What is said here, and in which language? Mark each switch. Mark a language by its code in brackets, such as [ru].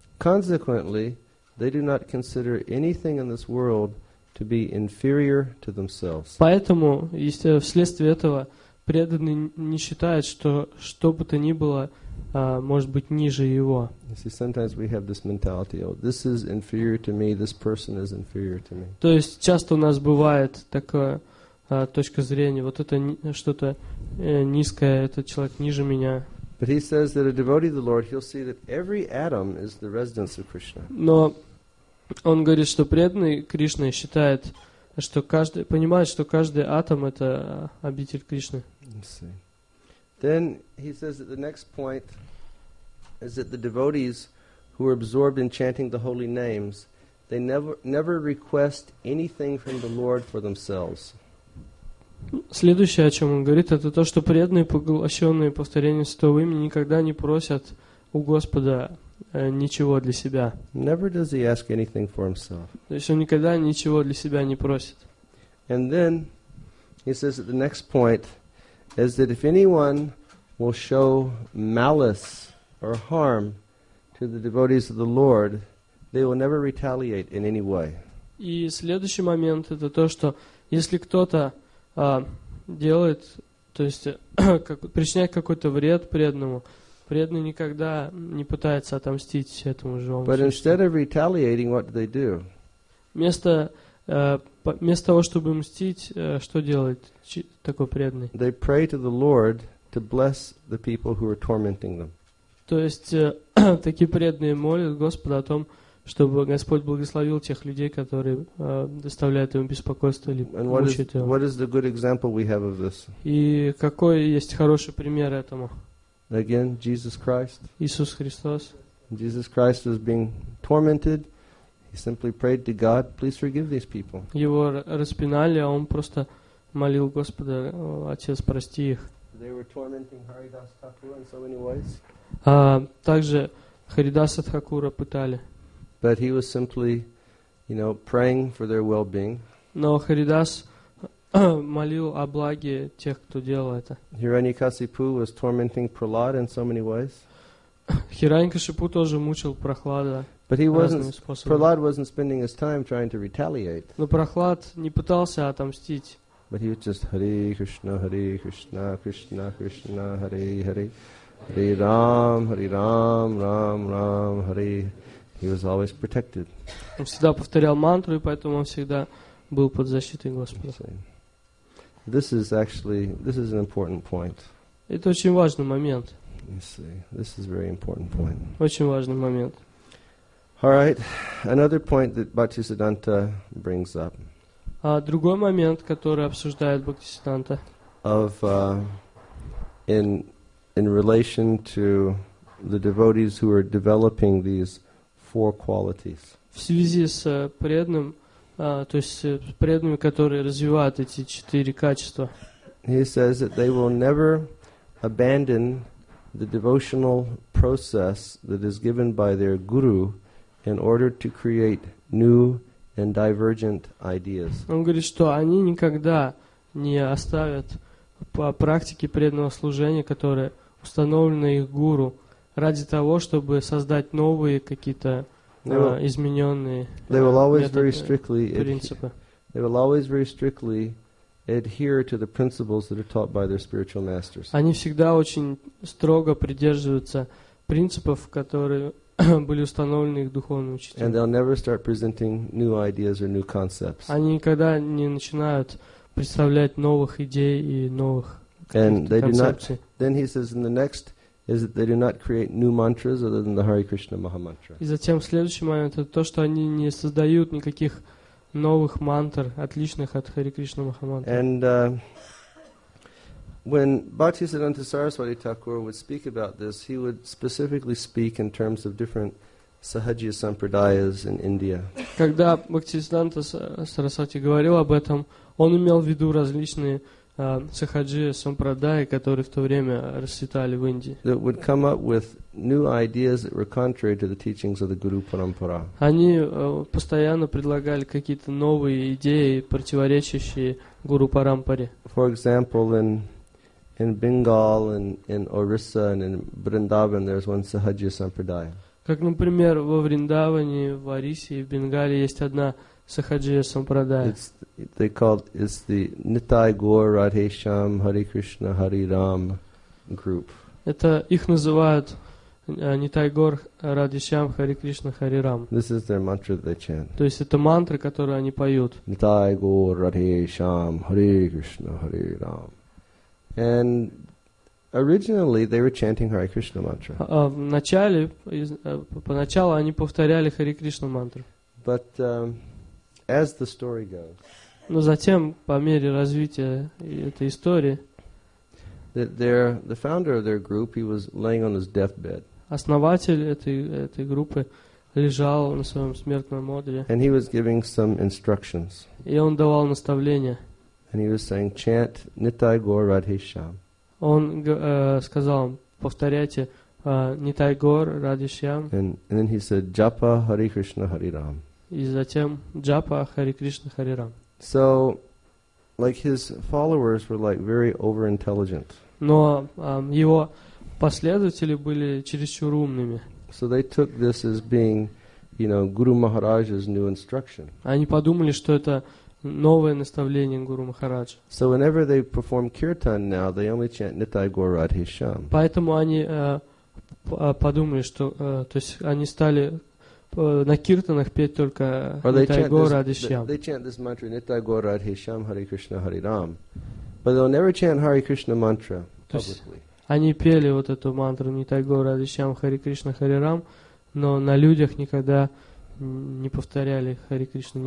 [en] Consequently, they do not consider anything in this world to be inferior to themselves. [ru] Поэтому, если вследствие этого преданный не считает, что бы то ни было может быть ниже его. [en] You see, sometimes we have this mentality, oh, this is inferior to me, this person is inferior to me. [ru] То есть часто у нас бывает такое точка зрения, вот это что-то низкое, этот человек ниже меня. [en] But he says that a devotee of the Lord, he'll see that every atom is the residence of Krishna. [ru] Но он говорит, что преданный Кришна считает, что каждый понимает, что каждый атом это обитель Кришны. [en] Then he says that the next point is that the devotees who are absorbed in chanting the holy names, they never request anything from the Lord for themselves. [ru] Следующее, о чем он говорит, это то, что преданные, поглощенные повторением Святого имени, никогда не просят у Господа ничего для себя. [en] Never does he ask anything for himself. [ru] То есть он никогда ничего для себя не просит. [en] And then he says that the next point is that if anyone will show malice or harm to the devotees of the Lord, they will never retaliate in any way. [ru] И следующий момент это то, что если кто-то делает, то есть причиняет какой-то вред преданному, преданный никогда не пытается отомстить этому живому. [en] But instead of retaliating, what do they do? [ru] Вместо того, чтобы мстить, что делает такой преданный? [en] They pray to the Lord to bless the people who are tormenting them. [ru] То есть такие преданные молят Господа о том, чтобы Господь благословил тех людей, которые доставляют ему беспокойство или мучают его. [en] What is the good example we have of this? [ru] И какой есть хороший пример этому? [en] Again, Jesus Christ. [ru] Иисус Христос. [en] Jesus Christ was being tormented. He simply prayed to God, please forgive these people. [ru] Его распинали, а он просто молил Господа: Отец, прости их. [en] They were tormenting Haridas Thakur in so many ways. [ru] Также Харидаса Тхакура пытали. [en] But he was simply, you know, praying for their well-being. [ru] Но Харидас молил о благе тех, кто делал это. [en] Hiranyakasipu was tormenting Prahlad in so many ways. [ru] Hiranyakasipu тоже мучил Прохлада. [en] But he wasn't. Prahlad wasn't spending his time trying to retaliate. [ru] Но Прохлад не пытался отомстить. [en] But he was just Hare Krishna, Krishna Krishna, Hare Hare, Hare Ram, Ram Ram, Hare. He was always protected. [ru] Он всегда повторял мантру, и поэтому он всегда был под защитой Господа. [en] This is an important point. [ru] Это очень важный момент. [en] You see, this is a very important point. [ru] Очень важный момент. [en] All right, another point that Bhaktisiddhanta brings up. [ru] Другой момент, который обсуждает Бхактисиддханта. [en] Of in relation to the devotees who are developing these four qualities. [ru] В связи с преданным, то есть преданными, которые развивают эти четыре качества. [en] He says that they will never abandon the devotional process that is given by their guru in order to create new and divergent ideas. [ru] Он говорит, что они никогда не оставят по практике преданного служения, которое установлено их гуру, ради того, чтобы создать новые какие-то измененные [en] they will always [ru] методы, [en] very strictly [ru] принципы. [en] They will always very strictly adhere to the principles that are taught by their spiritual masters. [ru] Они всегда очень строго придерживаются принципов, которые были установлены их духовными учителями. [en] And they'll never start presenting new ideas or new concepts. [ru] Они никогда не начинают представлять новых идей и новых [en] And they [ru] концепций. [en] Do not, then he says in the next is that they do not create new mantras other than the Hare Krishna Mahamantra. [ru] И затем следующий момент это то, что они не создают никаких новых мантр, отличных от Hare Krishna Mahamantra. [en] And when Bhaktisiddhanta Saraswati Thakur would speak about this, he would specifically speak in terms of different Sahajya Sampradayas in India. [ru] Когда Бхактисиддханта Сарасвати говорил об этом, он имел в виду различные Сахаджия Сампрадаи, которые в то время расцветали в Индии. [en] That would come up with new ideas that were contrary to the teachings of the Guru Parampara. [ru] Они постоянно предлагали какие-то новые идеи, противоречащие Гуру Парампаре. [en] For example, in Bengal and in Orissa and in Vrindavan there's one Sahajya Sampradaya. [ru] Как, например, во Вриндаване, в Орисе и в Бенгале есть одна Сахаджия Сампрадая. [en] It's the Nitai Gaur Radhe Shyam Hare Krishna Hare Ram group. [ru] Это их называют Nitai Gaur Radhe Shyam Hare Krishna Hare Ram. [en] This is their mantra that they chant. [ru] То есть это мантры, которые они поют. [sa] Nitai Gaur Radhe Shyam Hare Krishna Hare Ram. [en] And originally they were chanting Hare Krishna mantra. [ru] Поначалу они повторяли Hare Krishna мантру. [en] But as the story goes. [ru] Но затем по мере развития этой истории [en] the founder of their group, he was laying on his deathbed. [ru] Основатель этой группы лежал на своем смертном одре. [en] And he was giving some instructions. [ru] И он давал наставления. [en] And he was saying, chant Nitai Gaur Radhe Shyam. [ru] Он сказал, повторяйте Nitai Gaur Radhe Shyam. [en] And then he said, Japa Hare Krishna Hare Ram. [ru] И затем Japa Hare Krishna Hare Ram. [en] So, like his followers were like very over-intelligent. [ru] Но его последователи были чересчур умными. [en] So they took this as being, you know, Guru Maharaj's new instruction. [ru] Они подумали, что это новое наставление Гуру Махараджа. [en] So whenever they perform kirtan now, they only chant Nitai Gaur Radhe Shyam. [ru] Поэтому они подумали, что, то есть они стали на киртанах петь только Nitai Gaur Radhe Shyam. [en] They chant this mantra Nitai Gaur Radhe Shyam Hare Krishna Hare Ram, but they'll never chant Hare Krishna mantra. [ru] они пели вот эту мантру Нитайгор Адишьям Хари Кришна Хари Рам, но на людях никогда не повторяли Хари Кришна, не